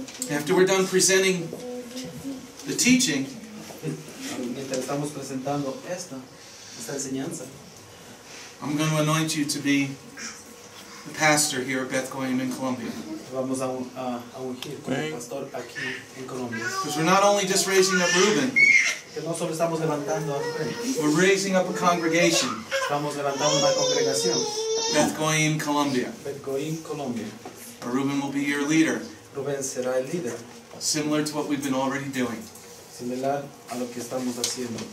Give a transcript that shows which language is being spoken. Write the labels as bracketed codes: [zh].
[en] After we're done presenting the teaching, [es] mientras estamos presentando esta enseñanza, [en] I'm going to anoint you to be the pastor here at Beth, Goyim in Colombia. [es] Vamos a ungir como pastor aquí en Colombia. [en] Because we're not only just raising up Reuben. [es] Que no solo estamos levantando a Reuben. [en] We're raising up a congregation. [es] Estamos levantando una congregación. [en] Beth, Goyim, Colombia. [es] Beth, Goyim, Colombia. [en] Or Reuben will be your leader. [es] Reuben será el líder. [en] Similar to what we've been already doing. [es] Similar a lo que estamos haciendo.